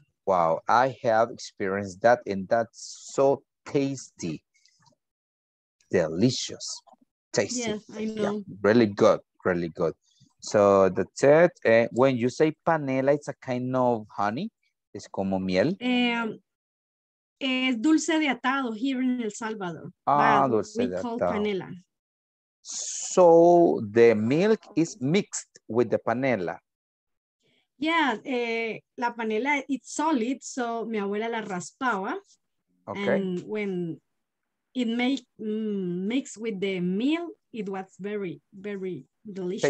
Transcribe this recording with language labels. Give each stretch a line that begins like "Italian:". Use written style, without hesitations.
English: Wow, I have experienced that, and that's so tasty. Delicious. Tasty. Yes, I know. Yeah, really good, really good. So the third, when you say panela, it's a kind of honey. It's
Spanish: como miel. Es dulce de atado
English: here in El Salvador.
Spanish: Ah, dulce de atado.
English: We call panela. So the milk is mixed with the panela.
Spanish: Yeah, la panela,
English: it's solid,
Spanish: so mi abuela la raspaba.
English: Okay. And when it mixed with the milk, it was very, very delicious.